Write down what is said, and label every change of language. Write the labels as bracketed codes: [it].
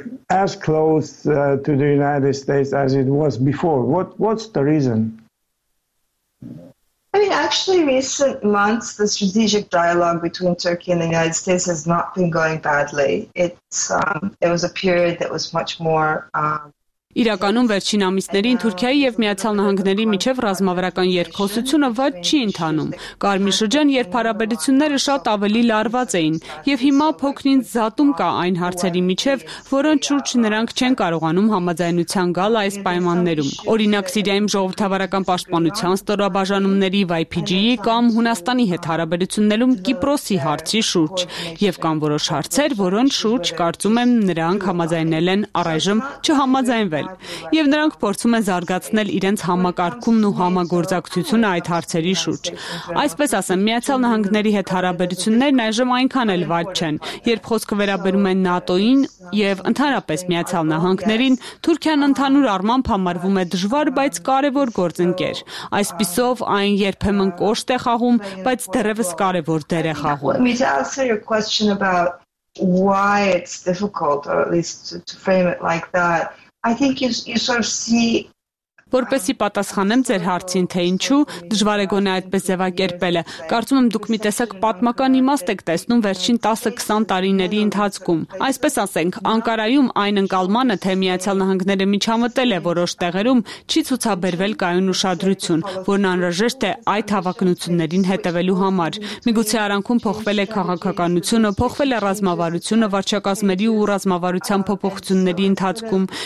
[en] As close to the United States as it was before, what's the reason? I mean, actually, recent months, the strategic dialogue between Turkey and the United States has not been going badly. It was a period that was much more. [hy] Իրականում վերջին ամիսներին Թուրքիայի եւ Միացյալ Նահանգների միջև ռազմավարական երկխոսությունը վաղ չի ընթանում։ Կարմիր շրջան, երբ հարաբերությունները շատ ավելի լարված էին, եւ հիմա փոքրին զատում կա այն հարցերի միջև, որոնց շուրջ նրանք չեն կարողանում համաձայնության գալ այս պայմաններում։ Օրինակ, Սիրիայում ժողովրդավարական պաշտպանության ստորաբաժանումների YPG-ի կամ Հունաստանի հետ հարաբերություններում Կիպրոսի հարցի շուրջ, եւ կան որոշ հարցեր, որոնց շուրջ կարծում եմ նրանք համաձայնել են առայժմ չհամաձայնել։ ընդունել եւ նրանք փորձում են զարգացնել իրենց համակարգումն ու համագործակցությունը այդ հարցերի շուրջ։ Այսպես ասեմ, Միացյալ Նահանգների հետ հարաբերություններն այժմ այնքան էլ վատ չեն, երբ խոսքը վերաբերում է ՆԱՏՕ-ին եւ ընդհանրապես Միացյալ Նահանգներին, Թուրքիան ընդհանուր առմամբ համարվում է դժվար, բայց կարևոր գործընկեր։ Այս պիսով այն երբեմն կոշտ է խաղում, բայց դեռևս կարևոր դեր է խաղում։ [en] Why it's difficult, or at least to frame it like that. I think you sort of see. [hy] Որպեսի պատասխանեմ ձեր հարցին, թե ինչու դժվար է գոնե այդպես ձևակերպելը։ Կարծում եմ, դուք մի տեսակ պատմական իմաստ եք տեսնում վերջին 10-20 տարիների ընթացքում։ Այսպես ասենք, Անկարայում այն ընկալմանը, թե Միացյալ Նահանգները միջամտել է որոշ տեղերում, չի ցուցաբերվել կայուն ուշադրություն, որն անհրաժեշտ է այդ հավակնություններին հետևելու համար։ Միգուցե արանքում փոխվել է քաղաքականությունը, փոխվել է ռազմավարությունը վարչակազմերի ու ռազմավարության փոփոխությունների ընթացքում,